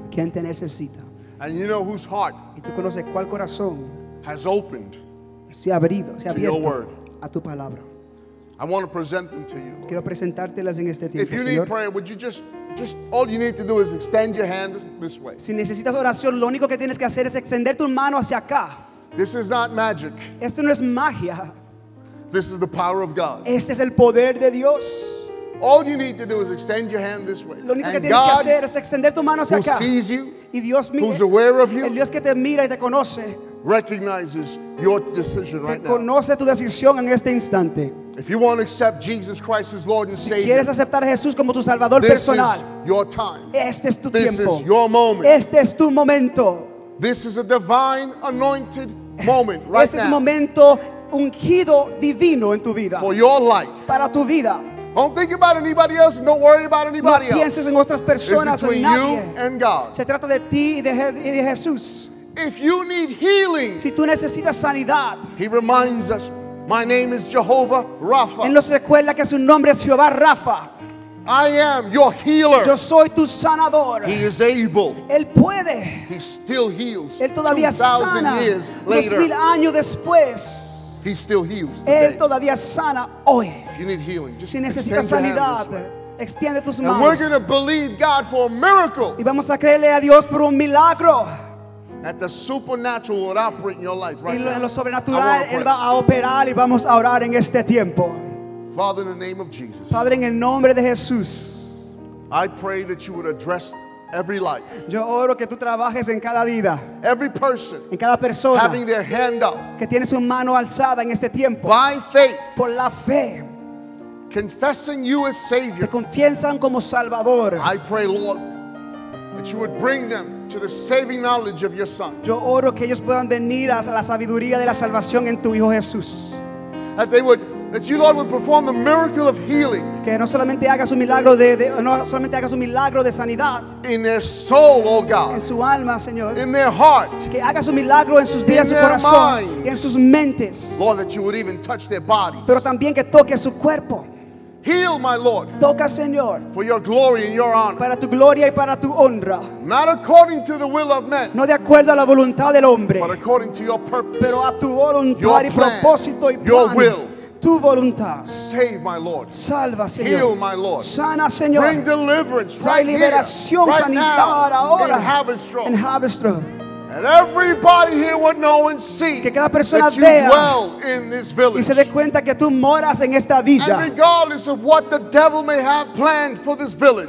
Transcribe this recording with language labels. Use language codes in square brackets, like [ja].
[es] ¿Quién te necesita? [en] And you know whose heart. [es] Y tú conoces cuál corazón. [en] Has opened. [es] Se ha abierto. [en] To your word. [es] A tu palabra. [en] I want to present them to you. [es] Quiero presentártelas en este tiempo, [en] if you need [es] Señor, [en] prayer, would you just all you need to do is extend your hand this way. [es] Si necesitas oración, lo único que tienes que hacer es extender tu mano hacia acá. [en] This is not magic. [es] Esto no es magia. [en] This is the power of God. [es] Este es el poder de Dios. [en] All you need to do is extend your hand this way. [es] Lo único que tienes que hacer es extender tu mano hacia acá. [en] Who sees you? [es] Y Dios mira. [en] Who's aware of you? [es] El Dios que te mira y te conoce. [en] Recognizes your decision right now. [es] Reconoce tu decisión en este instante. [en] If you want to accept Jesus Christ as Lord and [es] si [en] Savior, [es] quieres aceptar a Jesús como tu Salvador [en] this personal, is your time. [es] Este es tu [en] this [es] tiempo. [en] Is your moment. [es] Este es tu momento. [en] This is a divine anointed moment right [es] este Este es momento ungido divino en tu vida. [en] For your life. [es] Para tu vida. [en] Don't think about anybody else. Don't worry about anybody [es] no pienses [en] else. [es] En otras personas, [en] it's between you and God. [es] Se trata de ti y de Jesús. [en] If you need healing, [es] si tú necesitas sanidad, [en] he reminds us, my name is Jehovah Rapha. [es] Él nos recuerda que su nombre es Jehová Rapha. [en] I am your healer. [es] Yo soy tu sanador. [en] He is able. [es] Él puede. [en] He still heals. [es] Él todavía [en] 2,000 [es] sana. [en] Years later, [es] 2,000 años después, [en] he still heals today. [es] Él todavía sana hoy. [en] If you need healing, just [es] si necesitas sanidad, extiende tus manos. [en] And we're going to believe God for a miracle. [es] Y vamos a creerle a Dios por un milagro. [en] At the supernatural will operate in your life right now. [es] En lo sobrenatural él va a operar y vamos a orar en este tiempo. [en] Father, in the name of Jesus. [es] Padre, en el nombre de Jesús. [en] I pray that you would address every life. [es] Yo oro que tú trabajes en cada vida. [en] Every person. [es] En cada persona. [en] Having their hand up. [es] Que tiene su mano alzada en este tiempo. [en] By faith. [es] Por la fe. [en] Confessing you as Savior. [es] Te confiesan como Salvador. [en] I pray, Lord, that you would bring them to the saving knowledge of your Son. [es] Yo oro que ellos puedan venir a la sabiduría de la salvación en tu Hijo Jesús. [en] That you, Lord, would perform the miracle of healing. [es] Que no solamente hagas un milagro de no solamente hagas un milagro de sanidad. [en] In their soul, oh God. [es] En su alma, Señor. [en] In their heart. [es] Que hagas un milagro en sus vidas, [en] in [es] su corazón. [en] Mind. [es] Y en sus mentes. [en] Lord, that you would even touch their bodies. [es] Pero también que toque su cuerpo. [en] Heal, my Lord. [es] Toca, Señor. [en] For your glory and your honor. [es] Para tu gloria y para tu honra. [en] Not according to the will of men. [es] No de acuerdo a la voluntad del hombre. [en] But according to your purpose. [es] Pero a tu voluntad [en] your [es] y [en] plan, [es] propósito y plan. [en] Your will. [es] Tu voluntad. [en] Save, my Lord. [es] Salva, Señor. [en] Heal, my Lord. [es] Sana, Señor. [en] Bring deliverance [es] trae [en] right [es] liberación [en] here. [es] Sanidad [en] right now. [es] Ahora. [en] In Haverstraw. And everybody here would know and see [es] que cada persona [en] that you dwell in this village. [es] Y se dé cuenta que tú moras en esta villa. [en] And regardless of what the devil may have planned for this village,